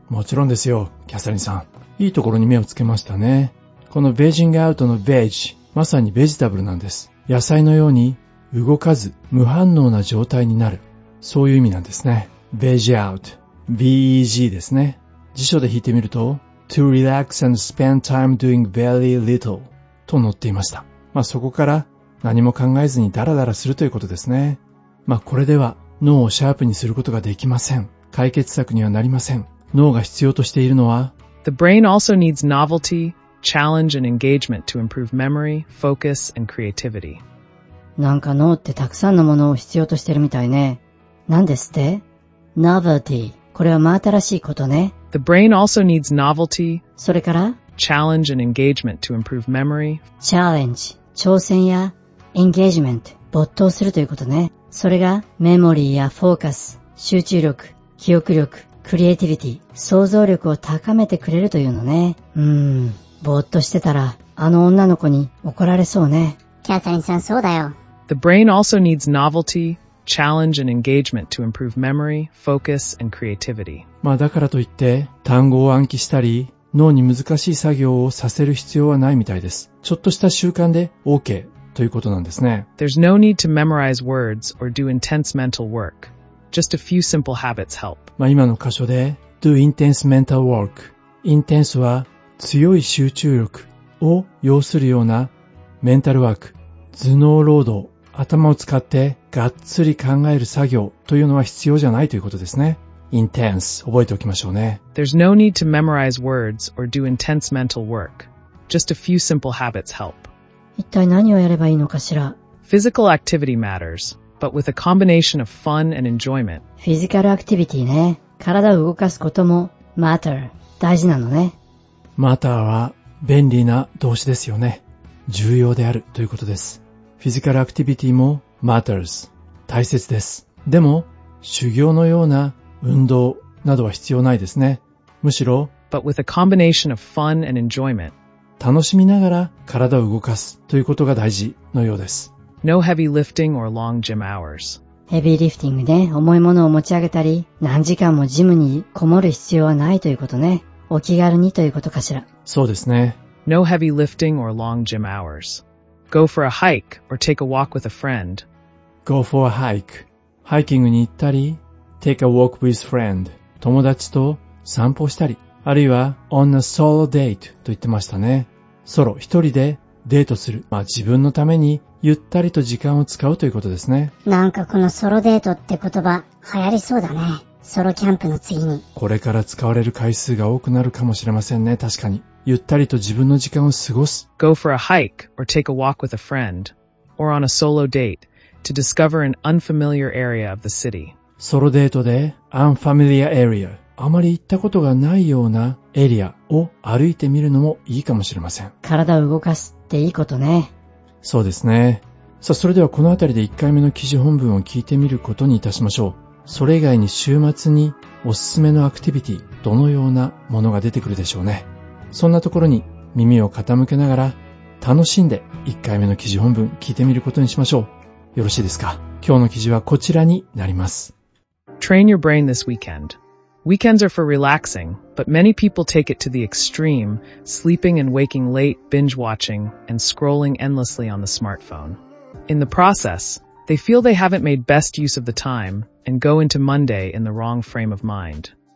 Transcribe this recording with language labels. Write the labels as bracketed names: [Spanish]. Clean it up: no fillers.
[Japanese] もちろんですよ、キャサリンさん。いいところに目をつけましたね。この vegging out の veg、まさにベジタブルなんです。野菜のように動かず無反応な状態になる。そういう意味なんですね。 [English] veg out, veg ですね。 [Japanese] 辞書で引いてみると、 [English] to relax and spend time doing very little [Japanese] と載っていました。まあそこから何も考えずにダラダラするということですね。まあこれでは脳をシャープにすることができません。解決策にはなりません。脳が必要としているのは、 [English] The brain also needs novelty. Challenge and engagement to improve memory, focus, and creativity. [Japanese] なんか脳ってたくさんのものを必要としてるみたいね。なんですって?Novelty. これは真新しいことね。 [English] The brain also needs novelty. [Japanese] それから? [English] Challenge and engagement to improve memory. Challenge. [Japanese] 挑戦や engagement. 没頭するということね。それが memory や focus. 集中力、記憶力、creativity. 想像力を高めてくれるというのね。ぼーっとしてたら、あの女の子に怒られそうね。キャサリンさん、そうだよ。 [English] The brain also needs novelty, challenge and engagement to improve memory, focus and creativity. [Japanese] まあだからといって、単語を暗記したり、脳に難しい作業をさせる必要はないみたいです。ちょっとした習慣で OK ということなんですね。 [English] There's no need to memorize words or do intense mental work. Just a few simple habits help. [Japanese] まあ今の箇所で、 [English] do intense mental work. [Japanese] Intense は、強い集中力を要するようなメンタルワーク、頭脳労働、頭を使ってがっつり考える作業というのは必要じゃないということですね。 intense 覚えておきましょうね。 [English] There's no need to memorize words or do intense mental work. Just a few simple habits help. [Japanese] 一体何をやればいいのかしら? [English] Physical activity matters, but with a combination of fun and enjoyment. Physical activity ね。 [Japanese] 体を動かすことも matter 大事なのね。 matter は便利な動詞ですよね。重要であるということです。フィジカルアクティビティも matters 大切です。でも修行のような運動などは必要ないですね。むしろ [English] But with a combination of fun and enjoyment. [Japanese] 楽しみながら体を動かすということが大事のようです。 [English] No heavy lifting or long gym hours. [Japanese] ヘビーリフティングで重いものを持ち上げたり何時間もジムにこもる必要はないということね。お気軽にということかしら。そうですね。 [English] No heavy lifting or long gym hours. Go for a hike or take a walk with a friend. Go for a hike. [Japanese] ハイキングに行ったり、 [English] take a walk with friend. [Japanese] 友達と散歩したり、あるいは [English] on a solo date [Japanese] と言ってましたね。ソロ、一人でデートする。まあ自分のためにゆったりと時間を使うということですね。なんかこのソロデートって言葉流行りそうだね。ソロキャンプの次にこれから使われる回数が多くなるかもしれませんね。確かにゆったりと自分の時間を過ごす [English] Go for a hike or take a walk with a friend or on a solo date to discover an unfamiliar area of the city. [Japanese] ソロデートで [English] unfamiliar area [Japanese] あまり行ったことがないようなエリアを歩いてみるのもいいかもしれません。体を動かすっていいことね。そうですね。さあ、それではこのあたりで1回目の記事本文を聞いてみることにいたしましょう。それ以外に週末におすすめのアクティビティ、どのようなものが出てくるでしょうね。そんなところに耳を傾けながら楽しんで1回目の記事本文聞いてみることにしましょう。よろしいですか。今日の記事はこちらになります。 [English] Train your brain this weekend. Weekends are for relaxing, but many people take it to the extreme, sleeping and waking late, binge watching, and scrolling endlessly on the smartphone. In the process, they feel they haven't made best use of the time and go into Monday in the wrong frame of mind.